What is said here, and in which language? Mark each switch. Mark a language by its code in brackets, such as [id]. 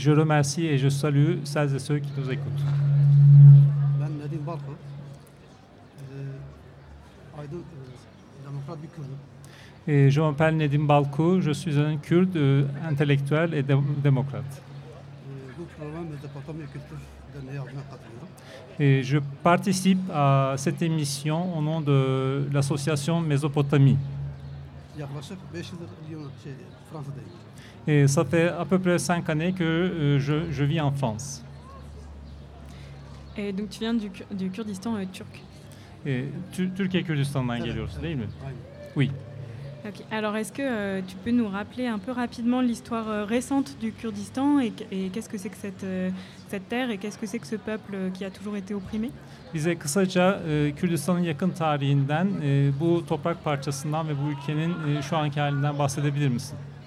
[fr] Je remercie et je salue celles et ceux qui nous écoutent. [tr] Ben Nedim Balko. Aydın Demokrat bir Kürt. [fr] Je m'appelle Nedim Balko. Je suis un Kürt intellectuel et démocrate. [tr] Bu programı ve Departement de Kültür Derneği adına katılıyorum. [fr] Et je participe à cette émission au nom de l'association Mésopotamie. [tr] Yaklaşık 5 yıldır Lyon'da, Fransa'dayım. [fr] Et ça fait à peu près 5 années que je vis en France. Et donc tu viens du Kurdistan turc. [tr] Et Türkiye Kürdistan'dan geliyorsun, değil mi? [fr] Oui. OK. Alors est-ce que tu peux nous rappeler un peu rapidement l'histoire récente du Kurdistan et qu'est-ce que c'est que cette terre et qu'est-ce que c'est que ce peuple qui a toujours été opprimé? [tr] Bize kısaca Kürdistan'ın yakın tarihinden, bu toprak parçasından ve bu ülkenin şu anki halinden bahsedebilir misin?